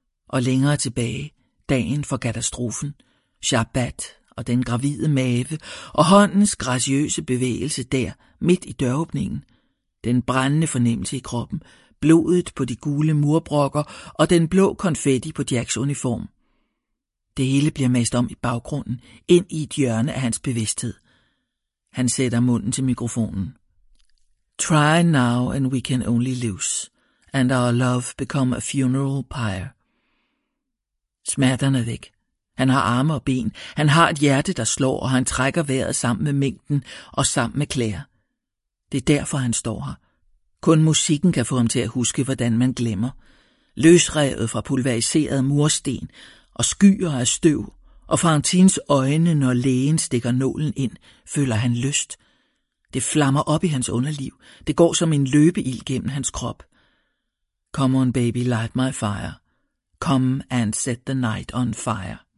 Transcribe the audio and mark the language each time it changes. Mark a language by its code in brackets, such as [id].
[da] Og længere tilbage, dagen for katastrofen, Shabbat og den gravide mave og håndens graciøse bevægelse der midt i døråbningen. Den brændende fornemmelse i kroppen, blodet på de gule murbrokker og den blå konfetti på Jacks uniform. Det hele bliver mast om i baggrunden, ind i et hjørne af hans bevidsthed. Han sætter munden til mikrofonen. [en] Try now and we can only lose, and our love become a funeral pyre. [da] Smerterne er væk. Han har arme og ben, han har et hjerte, der slår, og han trækker vejret sammen med mængden og sammen med Claire. Det er derfor, han står her. Kun musikken kan få ham til at huske, hvordan man glemmer. Løsrevet fra pulveriseret mursten og skyer af støv, og fra Antins øjne, når lægen stikker nålen ind, føler han lyst. Det flammer op i hans underliv. Det går som en løbeild gennem hans krop. [en] Come on baby, light my fire. Come and set the night on fire.